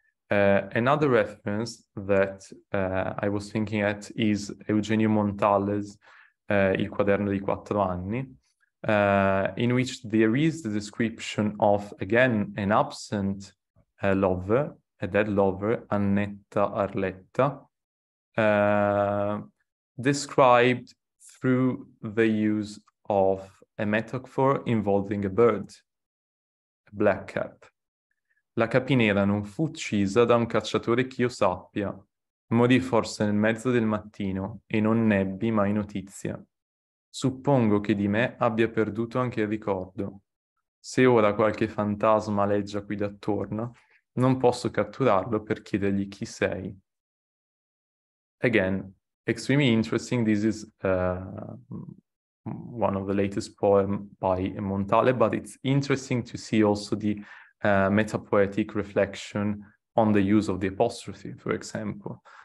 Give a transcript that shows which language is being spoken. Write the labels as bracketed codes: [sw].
[en] Another reference that I was thinking at is Eugenio Montale's Il Quaderno di Quattro Anni, in which there is the description of, again, an absent lover, a dead lover, Annetta Arletta, described through the use of a metaphor involving a bird, a black cap. [it] La capinera non fu uccisa da un cacciatore che io sappia. Morì forse nel mezzo del mattino e non n'ebbi mai notizia. Suppongo che di me abbia perduto anche il ricordo. Se ora qualche fantasma aleggia qui d'attorno, non posso catturarlo per chiedergli chi sei. [en] Again, extremely interesting. This is one of the latest poems by Montale, but it's interesting to see also the metapoetic reflection on the use of the apostrophe, for example.